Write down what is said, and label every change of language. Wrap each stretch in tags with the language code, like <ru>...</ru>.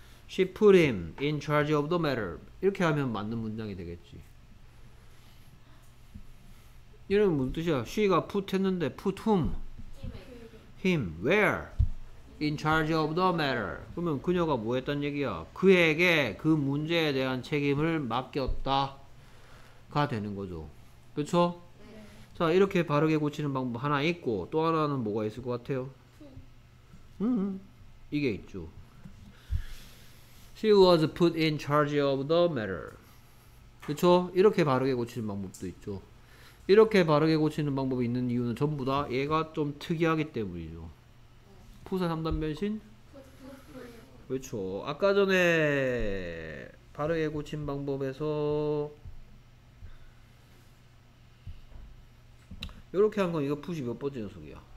<en>She put him in charge of the matter.</en> <ko>이렇게 하면 맞는 문장이 되겠지. 이러면 무슨 뜻이야? She가 put 했는데</ko> <en>put whom? Him. Where? In charge of the matter.</en> <ko>그러면 그녀가 뭐 했단 얘기야? 그에게 그 문제에 대한 책임을 맡겼다. 가 되는 거죠. 그쵸? 자, 이렇게 바르게 고치는 방법 하나 있고 또 하나는 뭐가 있을 것 같아요? 이게 있죠.</ko> <en>She was put in charge of the matter.</en> <ko>그쵸? 이렇게 바르게 고치는 방법도 있죠. 이렇게 바르게 고치는 방법이 있는 이유는 전부 다 얘가 좀 특이하기 때문이죠. 푸사 3단 변신? 그쵸. 아까 전에 바르게 고친 방법에서 이렇게 한 건 이거 푸시 몇 번째 녀석이야?</ko>